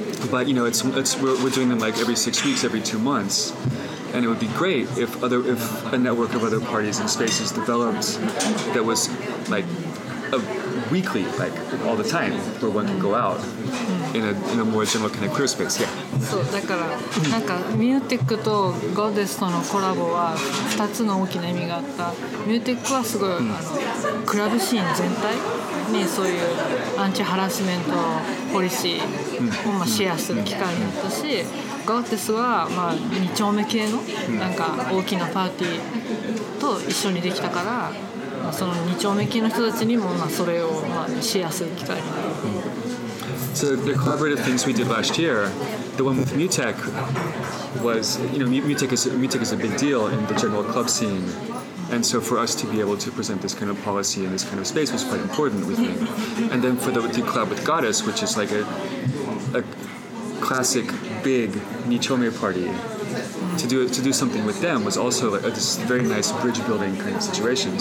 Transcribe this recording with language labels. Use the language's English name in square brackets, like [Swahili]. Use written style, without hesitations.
[English] But you know, we're doing them like every 6 weeks, every 2 months, and it would be great if a network of other parties and spaces developed that was like a weekly, like all the time, where one could go out. In a more general kind of queer space, yeah. [Japanese] そうだからなんかミューテックとゴーデスとのコラボは2つの大きな意味があった。ミューテックはすごい、mm. クラブシーン全体にそういうアンチハラスメントポリシーをまあシェアする機会になったし、mm. ゴーデスはまあ2丁目系のなんか大きなパーティーと一緒にできたから、まあ、その2丁目系の人たちにもまあそれをまあシェアする機会になった。 [English] So the collaborative things we did last year, the one with MuTech was, you know, MuTech is a big deal in the general club scene. And so for us to be able to present this kind of policy in this kind of space was quite important, we think. And then for the club with Goddess, which is like a classic big Nichome party, to do something with them was also a this very nice bridge building kind of situation.